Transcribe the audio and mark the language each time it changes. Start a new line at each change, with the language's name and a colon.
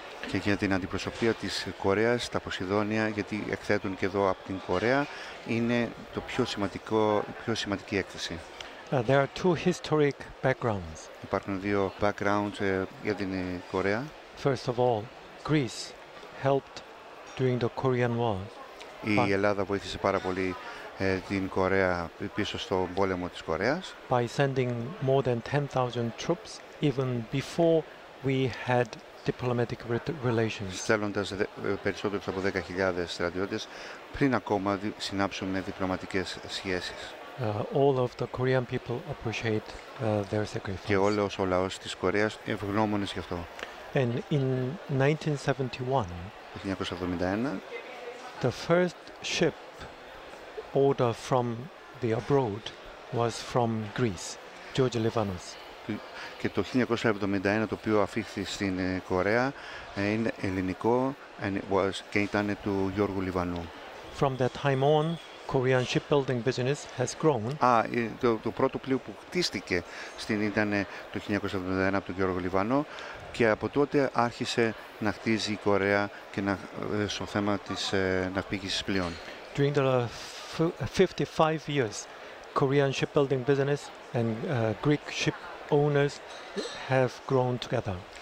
Greek: Και για την αντιπροσωπεία της Κορέας, τα Ποσειδόνια, γιατί εκθέτουν και εδώ από την Κορέα, είναι το πιο σημαντικό, πιο σημαντική έκθεση.
English: There are two historic backgrounds.
Greek: Υπάρχουν δύο backgrounds για την Κορέα.
English: First of all, Greece helped during the Korean War.
Greek: Η Ελλάδα βοήθησε πάρα πολύ την Κορέα πίσω στο πόλεμο της Κορέας.
English: By sending more than 10,000 troops even before we had diplomatic relations.
Greek: Στέλνοντας περισσότερους από 10,000 στρατιώτες πριν ακόμα συνάψουμε διπλωματικές σχέσεις.
English: All of the Korean people appreciate their sacrifice.
Greek: Και όλος ο λαός της Κορέας ευγνώμονες γι' αυτό.
English: And in 1971, the first ship order from the abroad was from Greece, George Livanos.
Greek: Και το 1971 το οποίο αφήχθη στην Κορέα είναι ελληνικό, and it was, και ήταν του Γιώργου Λιβανού.
English: From that time on, Korean shipbuilding business has grown.
Greek: Α, το πρώτο πλοίο που χτίστηκε στην ήταν το 1971 από τον Γιώργο Λιβανό και από τότε άρχισε να χτίζει η Κορέα και να, στο θέμα της ναυπηγικής πλοίων.
English: During the 55 years, Korean shipbuilding business and Greek ship owners have grown together.